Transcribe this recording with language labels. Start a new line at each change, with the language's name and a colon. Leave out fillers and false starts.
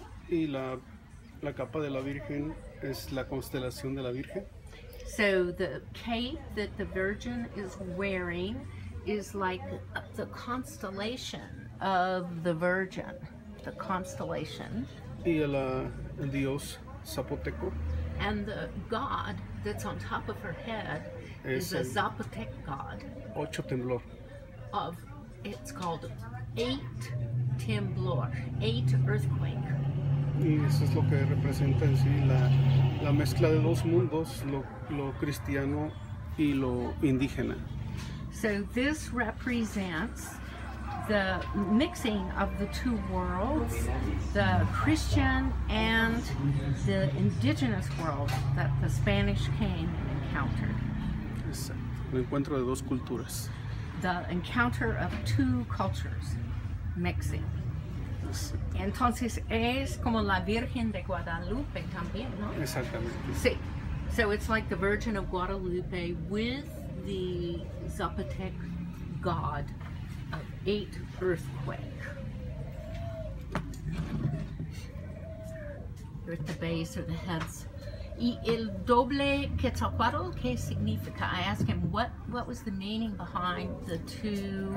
Spanish: Y la capa de la Virgen es la constelación de la Virgen.
English: So the cape that the Virgin is wearing is like the constellation of the Virgin, the constellation.
Spanish: Y el Dios Zapoteco.
English: And the god that's on top of her head is a Zapotec god.
Spanish: Ocho temblor.
English: Of, it's called eight temblor, eight earthquake.
Spanish: Y eso es lo que representa en sí la mezcla de dos mundos, lo cristiano y lo indígena.
English: So this represents the mixing of the two worlds, the Christian and the indigenous world that the Spanish came and encountered.
Spanish: Exacto, el encuentro de dos culturas.
English: The encounter of two cultures mixing.
Spanish: Entonces es como la Virgen de Guadalupe también, ¿no? Exactamente. Sí.
English: So it's like the Virgin of Guadalupe with the Zapotec god of eight earthquake. You're at the base or the heads.
Spanish: Y el doble Quetzalcóatl, ¿qué significa?
English: I ask him, what was the meaning behind the two?